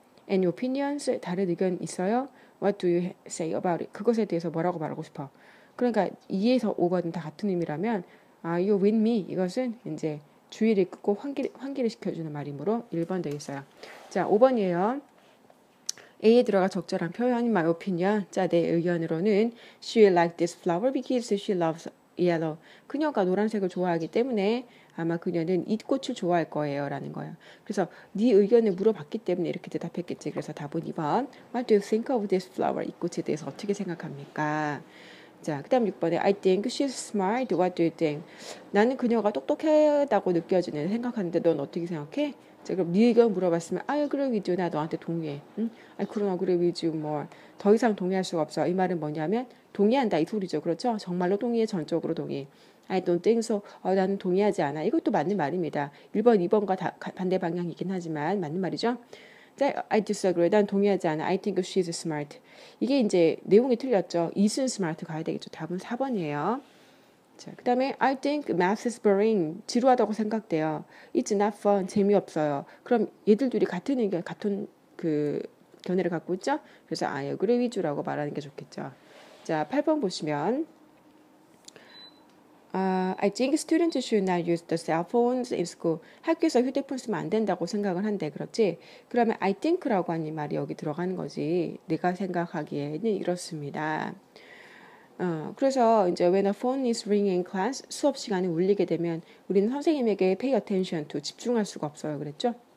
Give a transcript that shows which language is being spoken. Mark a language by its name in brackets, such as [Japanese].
[English] Any opinions? [Korean] 다른 의견 있어요? [English] What do you say about it? [Korean] 그것에 대해서 뭐라고 말하고 싶어? 그러니까 2에서 5거든 다 같은 의미라면 [English] Are you with me? [Korean] 이것은 이제 주의를 끄고 환기를 시켜주는 말이므로 1번 되겠어요. 자, 5번이에요. A에 들어가 적절한 표현인 [English] my opinion. [Korean] 자, 내 의견으로는 [English] She like this flower because she loves yellow. [Korean] 그녀가 노란색을 좋아하기 때문에 아마 그녀는 이 꽃을 좋아할 거예요. 라는 거예요. 그래서 네 의견을 물어봤기 때문에 이렇게 대답했겠지. 그래서 답은 2번. [English] What do you think of this flower? [Korean] 이 꽃에 대해서 어떻게 생각합니까? 자, 그 다음 6번에 [English] I think she's smart. What do you think? [Korean] 나는 그녀가 똑똑하다고 느껴지는 생각하는데 넌 어떻게 생각해? 자, 그럼 네 의견 물어봤으면 [English] I agree with you. [Korean] 나 너한테 동의해. 응? [English] I couldn't agree with you more. [Korean] 더 이상 동의할 수가 없어. 이 말은 뭐냐면 동의한다 이 소리죠. 그렇죠? 정말로 동의해. 전적으로 동의해. [English] I don't think so. [Korean] 나는 동의하지 않아. 이것도 맞는 말입니다. 1번, 2번과 다 반대 방향이긴 하지만 맞는 말이죠. [English] 자, I disagree. [Korean] 난 동의하지 않아. [English] I think she's smart. [Korean] 이게 이제 내용이 틀렸죠. [English] Isn't smart [Korean] 가야 되겠죠. 답은 4번이에요. 자, 그 다음에 [English] I think math is boring. [Korean] 지루하다고 생각돼요. [English] It's not fun. [Korean] 재미없어요. 그럼 얘들 둘이 같은 의견, 같은 그 견해를 갖고 있죠? 그래서 [English] I agree with you [Korean] 라고 말하는 게 좋겠죠. 자, 8번 보시면 [English] I think students should not use the cell phones in school. [Korean] 학교에서 휴대폰 쓰면 안 된다고 생각을 한대, 그렇지? 그러면 [English] I think [Korean] 라고 하는 말이 여기 들어가는 거지. 내가 생각하기에는 이렇습니다. 그래서 이제 [English] when a phone is ringing in class, [Korean] 수업 시간에 울리게 되면 우리는 선생님에게 [English] pay attention to, [Korean] 집중할 수가 없어요. 그랬죠?